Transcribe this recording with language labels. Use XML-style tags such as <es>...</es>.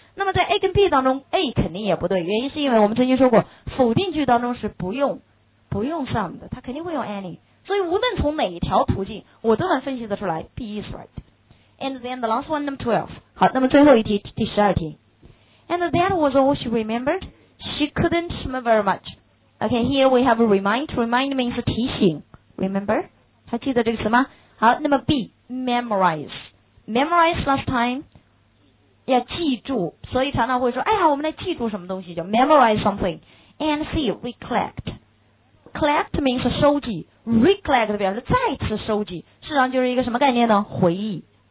<zh>那么在 A 跟 B 当中 A 肯定也不对，原因是因为我们曾经说过否定句当中是不用 some 的，它肯定会用 any。所以无论从哪一条途径我都能分析得出来</zh> <en>B is right。 And then the last one, number 12。</en> <zh>好，那么最后一题，第十二题。</zh> <en>And that was all she remembered. She couldn't remember much. Okay, here we have a remind. Remind means</en> <zh>提醒。</zh> <en>Remember?</en> <zh>还记得这个词吗？好，那么 B, memorize.</zh> <en>Memorize last time</en> <zh>要记住，所以常常会说哎呀我们来记住什么东西，叫</zh> <en>memorize something。 And C, recollect. Collect means</en> <zh>收集， recollect 表示再次收集，事实上就是一个什么概念呢？回忆。</zh>